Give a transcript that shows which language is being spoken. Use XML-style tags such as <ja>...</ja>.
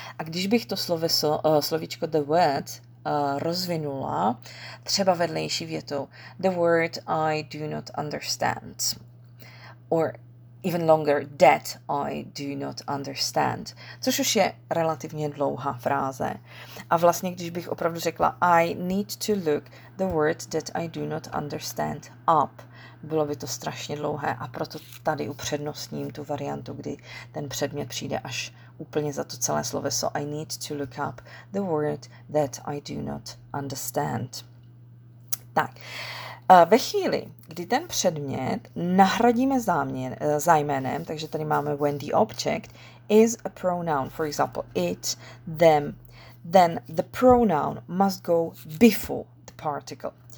<cs>A když bych to slovíčko the word rozvinula třeba vedlejší větou</cs> <en>the word I do not understand</en> <cs>or even longer</cs> <en>that I do not understand,</en> <cs>což už je relativně dlouhá fráze. A vlastně, když bych opravdu řekla</cs> <en>I need to look the word that I do not understand up,</en> <cs>bylo by to strašně dlouhé a proto tady upřednostním tu variantu, kdy ten předmět přijde až úplně za to celé sloveso.</cs> <en>I need to look up the word that I do not understand.</en> <cs>Tak, ve chvíli, kdy ten předmět nahradíme zájmenem, takže tady máme</cs> <en>when the object is a pronoun, for example, it, them, then the pronoun must go before the particle.</en>